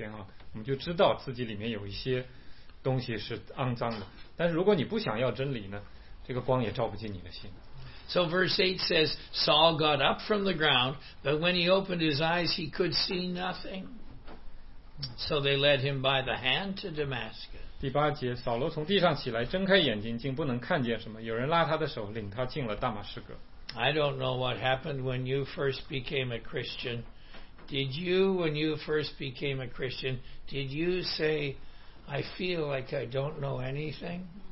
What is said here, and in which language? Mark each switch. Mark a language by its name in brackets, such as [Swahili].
[Chinese] 记得我们来到光面前啊，我们就知道自己里面有一些 东西是肮脏的，但是如果你不想要真理呢，这个光也照不进你的心。 [English] So verse 8 says, Saul got up from the ground, but when he opened his eyes, he could see nothing. So they led him by the hand to Damascus. [Chinese] 第八节，扫罗从地上起来，睁开眼睛，竟不能看见什么。有人拉他的手，领他进了大马士革。 [English] I don't know what happened when you first became a Christian. Did you, when you first became a Christian, did you say, I feel like I don't know anything.